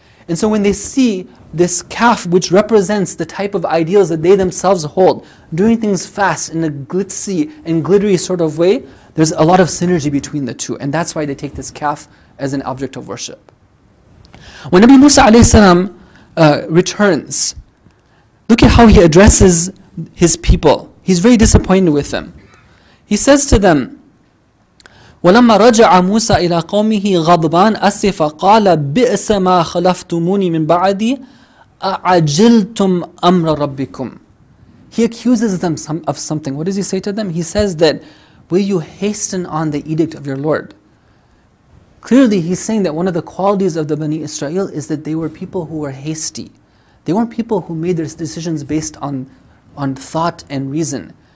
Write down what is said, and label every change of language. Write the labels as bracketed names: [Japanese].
[English] And so when they see this calf, which represents the type of ideals that they themselves hold, doing things fast in a glitzy and glittery sort of way, there's a lot of synergy between the two. And that's why they take this calf as an object of worship. When Nabi Musa alayhi salam returns, look at how he addresses his people. He's very disappointed with them. He says to them, [Arabic] وَلَمَّا رَجَعَ مُوسَىٰ إِلَىٰ قَوْمِهِ غَضْبَانْ أَسِفَ قَالَ بِئْسَ مَا خَلَفْتُمُونِي مِنْ بَعَدِي أَعَجِلْتُمْ أَمْرَ رَبِّكُمْ. [English] He accuses them of something. What does he say to them? He says that, will you hasten on the edict of your Lord? Clearly, he's saying that one of the qualities of the Bani Israel is that they were people who were hasty. They weren't people who made their decisions based on thought and reason.